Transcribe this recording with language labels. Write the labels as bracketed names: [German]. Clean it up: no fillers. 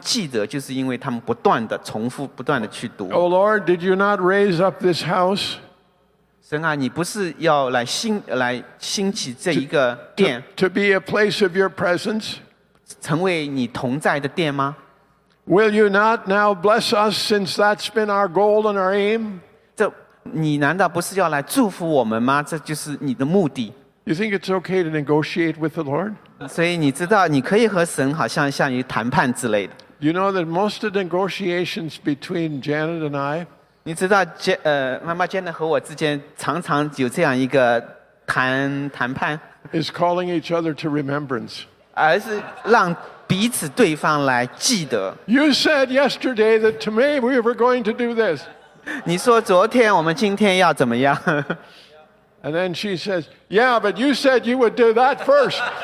[Chinese] 就是有些人就是在沉浸在这个经文圣经里面，他们记得就是因为他们不断的重复，不断的去读。Oh [English] Lord, did you not raise up this house? [Chinese] 神啊，你不是要来兴起这一个殿？ [English] To be a place of your presence? [Chinese] 成为你同在的殿吗？ [English] Will you not now bless us since that's been our goal and our aim? [Chinese] 你难道不是要来祝福我们吗？这就是你的目的。 [English] You think it's okay to negotiate with the Lord? [Chinese] 所以你知道你可以和神好像像于谈判之类的。 [English] You know that most of the negotiations between Janet and I, [Chinese] 你知道妈妈Janet和我之间常常有这样一个谈判, [English] is calling each other to remembrance. [Chinese] 而是让彼此对方来记得。 [English] You said yesterday that today we were going to do this. [Chinese] 你说昨天我们今天要怎么样? [English] And then she says, yeah, but you said you would do that first.